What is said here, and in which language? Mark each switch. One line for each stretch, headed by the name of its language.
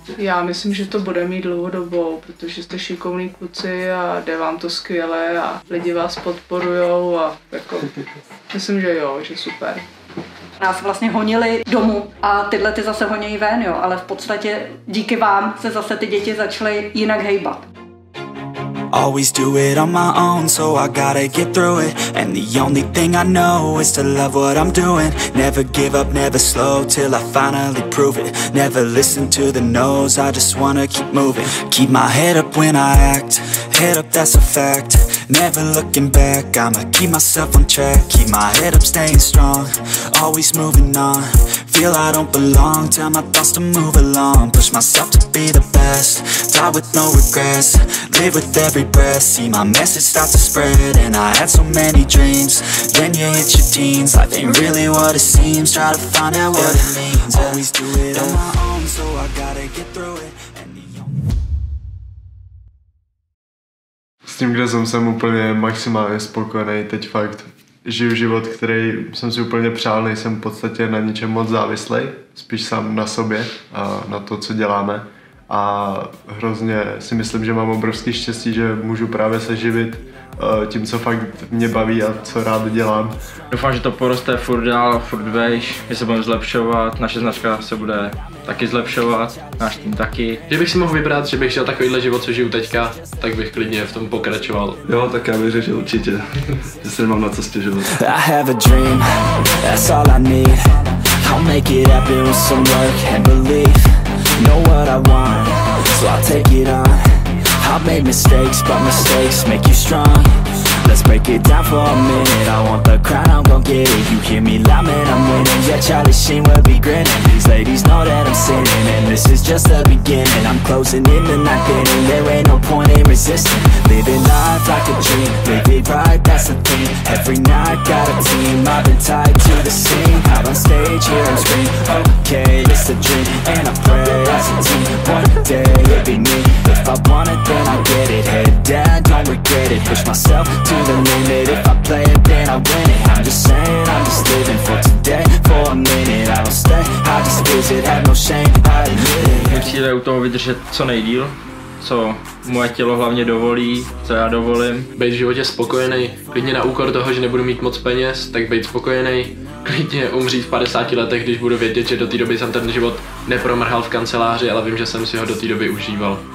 Czech: Já myslím, že to bude mít dlouhodobou, protože jste šikovní kluci a jde vám to skvěle a lidi vás podporujou a jako, myslím, že jo, že super. Nás vlastně honili domů a tyhle ty zase honějí ven, jo, ale v podstatě díky vám se zase ty děti začaly jinak hejbat.
English: Always do it on my own, so I gotta get through it. And the only thing I know is to love what I'm doing. Never give up, never slow, till I finally prove it. Never listen to the no's, I just wanna keep moving. Keep my head up when I act, head up, that's a fact. Never looking back, I'ma keep myself on track. Keep my head up, staying strong, always moving on. Feel I don't belong, tell my thoughts to move along. Push myself to be the best, die with no regrets. Live with every breath, see my message start to spread. And I had so many dreams, then you hit your teens. Life ain't really what it seems, try to find out what it means. Always do it on my own, so I gotta get through it.
Czech: S tím, kde jsem úplně maximálně spokojený, teď fakt žiju život, který jsem si úplně přál, nejsem v podstatě na ničem moc závislý, spíš sám na sobě a na to, co děláme. A hrozně si myslím, že mám obrovský štěstí, že můžu právě se živit tím, co fakt mě baví a co rád dělám. Doufám, že to poroste furt dál, furt vejš, že se budeme zlepšovat, naše značka se bude taky zlepšovat, náš tým taky. Kdybych si mohl vybrat, že bych žil takovýhle život, co žiju teďka, tak bych klidně v tom pokračoval. Jo, tak já věřím, že určitě, že se nemám na co stěžovat.
English: I have a dream, that's all I need. I'll make it happen with some work and belief. Know what I want, so I'll take it on. I've made mistakes, but mistakes make you strong. Let's break it down for a minute. I want the crown, I'm gon' get it. You hear me loud, man, I'm winning. Yeah, Charlie Sheen will be grinning. These ladies know that I'm sinning, and this is just the beginning. I'm closing in the ninth inning. There ain't no point in resisting. Living life like a dream. Live it right, that's the thing. Every night, got a team. I've been tied to the scene. Out on stage, here on screen. Okay, it's a dream. And I pray as a team. One day, it'd be me. If I want it, then I'll get it. Head down, don't regret it. Push myself to the limit. If I play it, then I win it. I'm just saying, I'm just living for today. For a minute, I don't stay. I just lose it, have no shame, I admit it.
Czech: Mě přijde u toho vydržet co nejdíl, co moje tělo hlavně dovolí, co já dovolím. Být v životě spokojený, klidně na úkor toho, že nebudu mít moc peněz, tak být spokojený. Klidně umřít v 50 letech, když budu vědět, že do té doby jsem ten život nepromrhal v kanceláři, ale vím, že jsem si ho do té doby užíval.